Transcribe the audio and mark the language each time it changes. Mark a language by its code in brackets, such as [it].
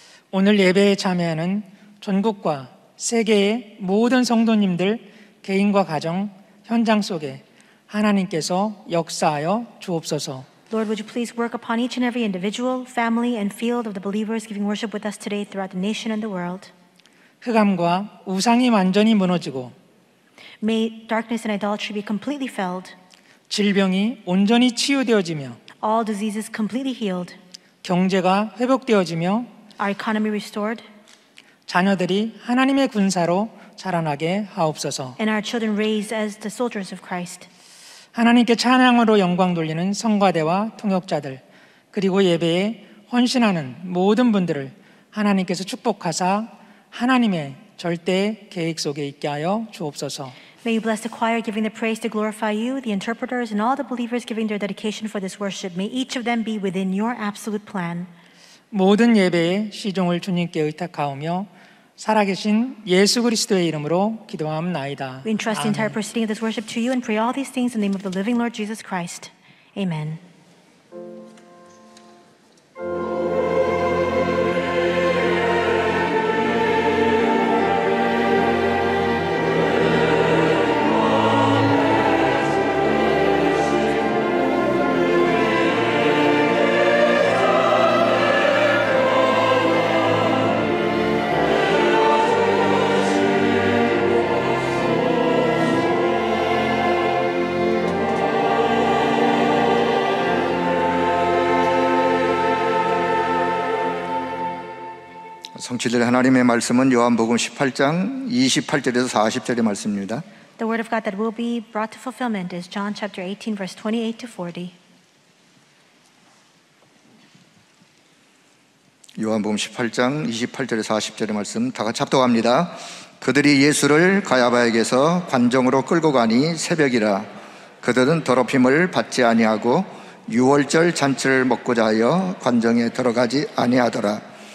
[ko] 오늘 예배에 참여하는 전국과 세계의 모든 성도님들 개인과 가정 현장 속에 하나님께서 역사하여 주옵소서. [en] Lord, would you please work upon each and every individual, family, and field of the believers giving worship with us today throughout the nation and the world. [ko] 흑암과 우상이 완전히 무너지고 [en] May darkness and idolatry be completely felled. [ko] 질병이 온전히 치유되어지며 [en] All diseases completely healed. [ko] 경제가 회복되어지며 [en] Our economy restored. [ko] 자녀들이 하나님의 군사로 자라나게 하옵소서. [en] And our children raised as the soldiers of Christ. [ko] 하나님께 찬양으로 영광 돌리는 성가대와 통역자들 그리고 예배에 헌신하는 모든 분들을 하나님께서 축복하사 하나님의 절대 계획 속에 있게 하여 주옵소서. [en] May you bless the choir giving the praise to glorify you, the interpreters and all the believers giving their dedication for this worship. May each of them be within your absolute plan. [ko] 모든 예배의 시종을 주님께 의탁하오며 살아계신 예수 그리스도의 이름으로 기도함나이다. [en] We entrust the entire proceeding of this worship to you and pray all these things in the name of the living Lord Jesus Christ. Amen. Today [ko] 하나님의 말씀은 요한복음 18장 28절에서 40절의 말씀입니다. [en] The word of God that will be brought to fulfillment is John chapter 18 verse 28 to 40. [ko] 요한복음 18장 28절에서 40절의 말씀 다 같이 합독합니다. 그들이 예수를 가야바에게서 관정으로 끌고 가니 새벽이라 그들은 더럽힘을 받지 아니하고 유월절 잔치를 먹고자 하여 관정에 들어가지 아니하더라.